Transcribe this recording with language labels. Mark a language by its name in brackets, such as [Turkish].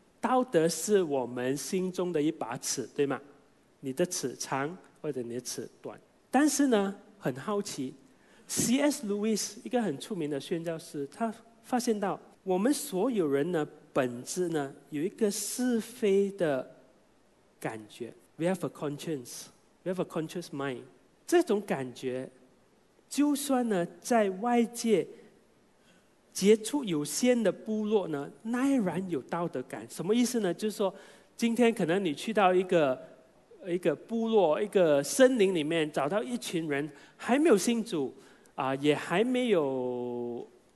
[Chinese] 道德是我们心中的一把尺，对吗？你的尺长或者你的尺短。但是呢，很好奇 C.S. Lewis 一个很出名的宣教师，他发现到我们所有人的本质呢，有一个是非的感觉。 [English] We have a conscience, we have a conscious mind。 [Chinese] 这种感觉就算呢，在外界接触有限的部落呢，耐然有道德感。什么意思呢？就是说今天可能你去到一个部落，一个森林里面，找到一群人还没有信主啊，也还没有